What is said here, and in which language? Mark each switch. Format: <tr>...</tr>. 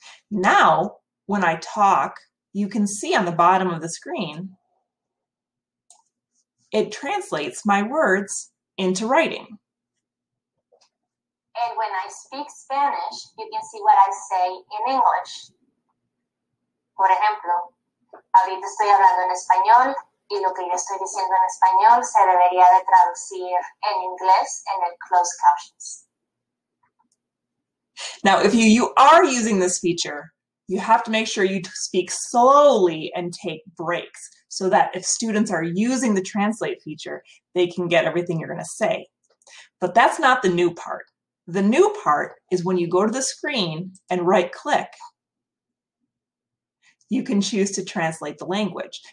<en>Now, when I talk, you can see on the bottom of the screen, it translates my words into writing. And when I speak Spanish, you can see what I say in English.</en> <es>Por ejemplo, ahorita estoy hablando en español y lo que yo estoy diciendo en español se debería de traducir en inglés en el closed captions.</es> <en>Now, if you are using this feature, you have to make sure you speak slowly and take breaks so that if students are using the translate feature, they can get everything you're going to say. But that's not the new part. The new part is when you go to the screen and right-click, you can choose to translate the language.</en>